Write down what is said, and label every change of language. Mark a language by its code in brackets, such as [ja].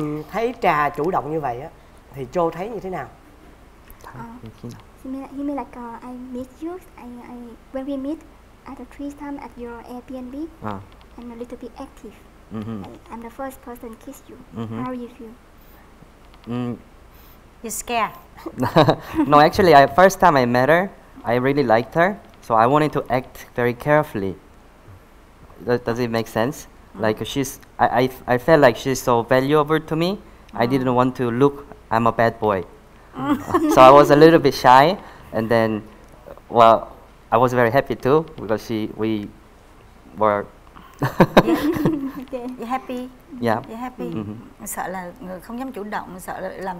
[vi] Thấy Trà chủ động như vậy á thì Trô thấy như thế nào? [en] He mean like I meet you, I when we meet at a tree stump at your Airbnb. I'm a little bit active. I'm the first person kiss you. How are you feel? You scared? No, actually, I first time I met her, I really liked her, so I wanted to act very carefully. Does it make sense? Like she's, I felt like she's so valuable to me. I didn't want to look, I'm a bad boy. So I was a little bit shy, and then, well, I was very happy too because we were. You happy? Yeah. You happy? [vi] Sợ là người không dám chủ động, sợ là làm